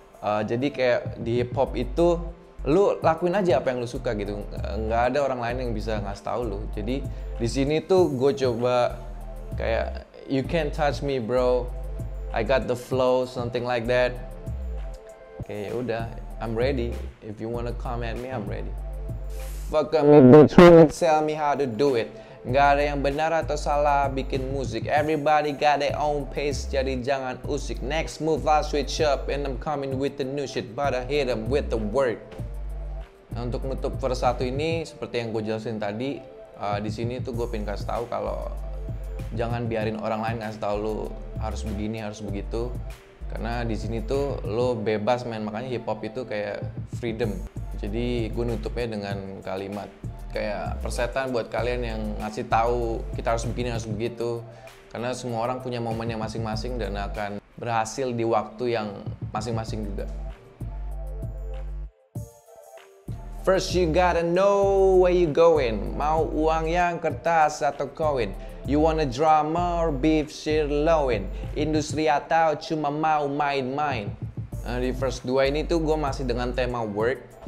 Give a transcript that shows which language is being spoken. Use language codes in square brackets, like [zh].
[id] Jadi kayak di hip hop itu lu lakuin aja apa yang lu suka gitu, nggak ada orang lain yang bisa ngasih tahu lu. Jadi di sini tuh gue coba kayak [en] you can't touch me bro, I got the flow, something like that. Oke, okay, udah, I'm ready. If you wanna come at me, I'm ready. Fuck me, bitch, tell me how to do it. [id] Gak ada yang benar atau salah bikin musik. [en] Everybody got their own pace, [id] jadi jangan usik. [en] Next move I'll switch up and I'm coming with the new shit, but I hit them with the word. [id] Nah, untuk menutup verse 1 ini, seperti yang gue jelasin tadi, di sini tuh gue pengen kasih tahu kalau jangan biarin orang lain ngasih tahu lu harus begini, harus begitu. Karena di sini tuh lo bebas main, makanya hip hop itu kayak freedom. Jadi gue nutupnya dengan kalimat kayak persetan buat kalian yang ngasih tahu kita harus begini, harus begitu. Karena semua orang punya momennya masing-masing dan akan berhasil di waktu yang masing-masing juga. [en] First you gotta know where you going. [id] Mau uang yang kertas atau koin. [en] You wanna drama or beef sirloin. [id] Industri atau cuma mau main-main. Nah, di verse 2 ini tuh gue masih dengan tema work.